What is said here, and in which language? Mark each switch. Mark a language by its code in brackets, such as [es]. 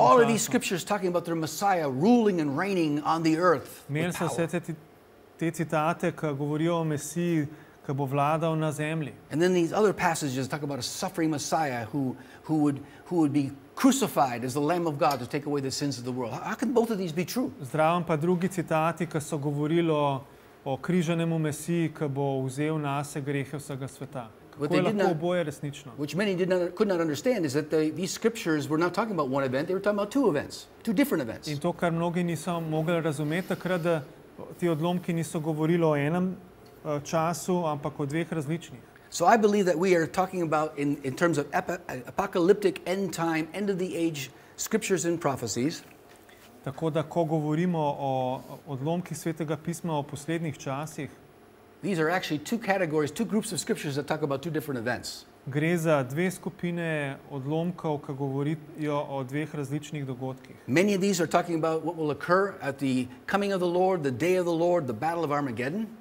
[sl] času. [en] All of these scriptures talking about their Messiah ruling and reigning on the earth. [sl] Imeli so vse te citate, ki govorijo o Mesiji, ki bo vladal na zemlji. [en] And then these other passages talk about a suffering Messiah who would be crucified as the Lamb of God to take away the sins of the world. How can both of these be true? [sl] Zdravim pa drugi citati, ki so govorilo o križanemu Mesiji, ki bo vzel nase grehe vsega sveta. [en] Which many could not understand is that these scriptures were not talking about one event, they were talking about two events, two different events. [sl] In to, kar mnogi niso mogli razumeti takrat, da ti odlomki niso govorili o enem času, ampak o dveh različnih. [en] So I believe that we are talking about in terms of apocalyptic end time, end of the age scriptures and prophecies. [sl] Tako da, ko govorimo o odlomki svetega pisma o poslednjih časih, [en] these are actually two categories, two groups of scriptures that talk about two different events. [sl] Gre za dve skupine odlomkov, ki govorijo o dveh različnih dogodkih. [en] Many of these are talking about what will occur at the coming of the Lord, the day of the Lord, the battle of Armageddon.